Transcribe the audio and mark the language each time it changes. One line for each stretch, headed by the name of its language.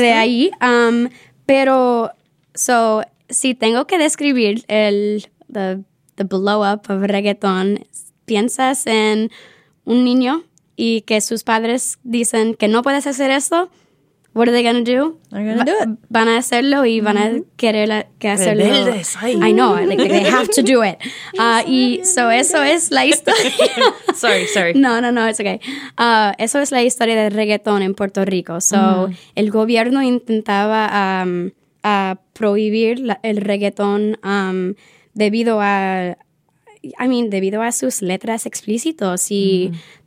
Spanish: De ahí. Pero, so, si tengo que describir
English: the blow up of reggaeton,
Spanish: piensas en un niño y que sus padres dicen que no puedes hacer eso,
English: what are they gonna do? They're gonna do it.
Spanish: Van a hacerlo y van mm-hmm. a querer que hacerlo. Rebeldes,
English: I know, like, they have to do it.
Spanish: y so eso es la historia.
English: sorry. No, it's okay.
Spanish: Eso es la historia del reggaeton en Puerto Rico. So mm-hmm. el gobierno intentaba prohibir el reggaeton debido a sus letras explícitos y mm-hmm.